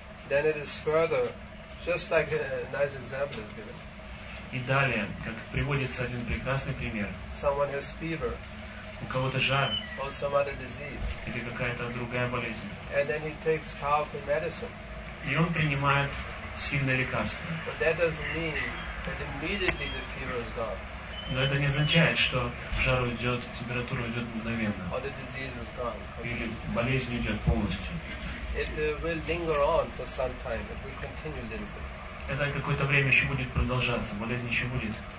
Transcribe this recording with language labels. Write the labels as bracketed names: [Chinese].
[English] Then it is further, just like a nice example is given. [Russian] И далее, как приводится один прекрасный пример. [English] Someone has fever. [Russian] У кого-то жар. [English] Or some other disease. [Russian] Или какая-то другая болезнь. [English] And then he takes powerful medicine. [Russian] И он принимает сильное лекарство. [English] But that doesn't mean that immediately the fever is gone. [Russian] Но это не означает, что жар уйдет, температура уйдет мгновенно. [English] Or the disease is gone. [Russian] Или болезнь уйдет полностью. [English] It will linger on for some time. It will continue a little bit. [Russian] Это какое-то время еще будет продолжаться, болезнь еще будет.